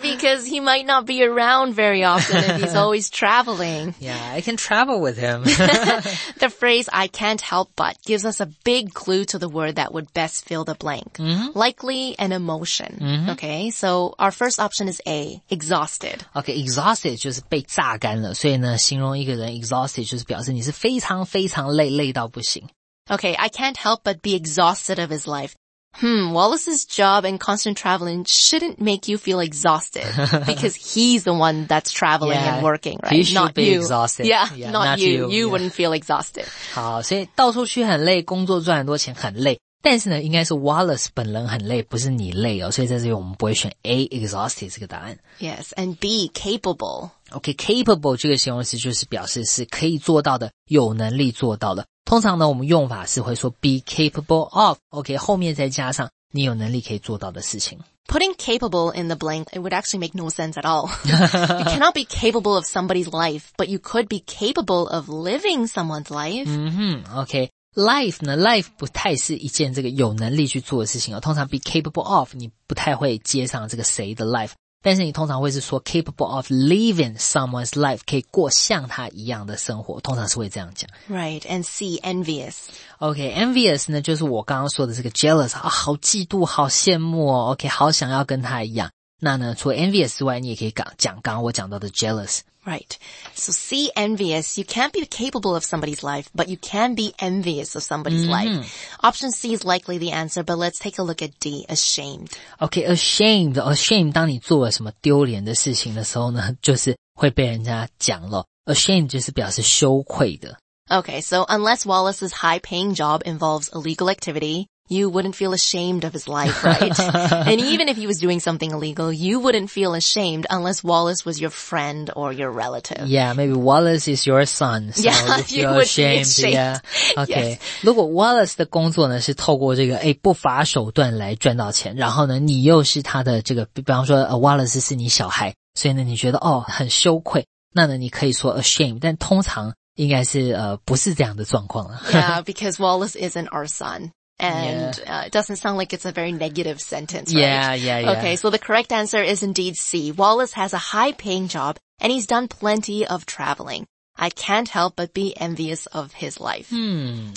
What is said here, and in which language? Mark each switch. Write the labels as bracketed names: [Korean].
[English] Because he might not be around very often and he's always traveling. Yeah, I can travel with him. The phrase I can't help but gives us a big clue to the word that would best fill the blank. Mm-hmm. Likely an emotion. Mm-hmm. Okay, so our first option is A, exhausted. [Chinese] Okay, exhausted 就是被榨干了。所以呢，形容一个人 exhausted 就是表示你是非常非常累，累到不行。 [English] Okay, I can't help but be exhausted of his life. Wallace's job and constant traveling shouldn't make you feel exhausted because he's the one that's traveling yeah, and working, right? He should not be you. Exhausted. Yeah, yeah not you. You yeah. wouldn't feel exhausted. [Chinese] 好，所以到处去很累，工作赚很多钱很累。但是呢，应该是 Wallace 本人很累，不是你累哦。所以在这里我们不会选 A exhausted 这个答案。 [English] Yes, and B capable. [Chinese] Okay, capable 这个形容词就是表示是可以做到的，有能力做到的。通常呢，我们用法是会说 [English] be capable of. [Chinese] Okay, 后面再加上你有能力可以做到的事情。 [English] Putting capable in the blank, it would actually make no sense at all. You cannot be capable of somebody's life, but you could be capable of living someone's life. Mm-hmm, okay. [Chinese] Life 呢 ,life 不太是一件这个有能力去做的事情哦。通常 [English] be capable of, [Chinese] 你不太会接上这个谁的 life。但是你通常会是说 [English] capable of living someone's life, [Chinese] 可以过像他一样的生活。通常是会这样讲。 [English] Right, and C, envious. [Chinese] Okay, envious 呢就是我刚刚说的这个 jealous, 啊好嫉妒好羡慕哦 ,okay, 好想要跟他一样。那呢除了 envious 之外你也可以讲刚刚我讲到的 jealous。 [English] Right. So, see envious. You can't be capable of somebody's life, but you can be envious of somebody's mm-hmm. life. Option C is likely the answer, but let's take a look at D, ashamed. Okay, ashamed. [Chinese] Ashamed, 当你做了什么丢脸的事情的时候呢，就是会被人家讲了。 Ashamed 就是表示羞愧的。 [English] Okay, so unless Wallace's high-paying job involves illegal activity... You wouldn't feel ashamed of his life, right? And even if he was doing something illegal, you wouldn't feel ashamed unless Wallace was your friend or your relative. Yeah, maybe Wallace is your son, so yeah, you feel you would ashamed. Yeah. Okay. Yes. [Chinese] 如果 Wallace 的工作呢是透过这个诶不法手段来赚到钱，然后呢你又是他的这个，比方说Wallace 是你小孩，所以呢你觉得哦很羞愧，那呢你可以说 ashamed， 但通常应该是不是这样的状况了。 [English] Yeah, because Wallace isn't our son. And yeah. It doesn't sound like it's a very negative sentence, right? Yeah, yeah, yeah. Okay, so the correct answer is indeed C. Wallace has a high-paying job, and he's done plenty of traveling. I can't help but be envious of his life. Hmm.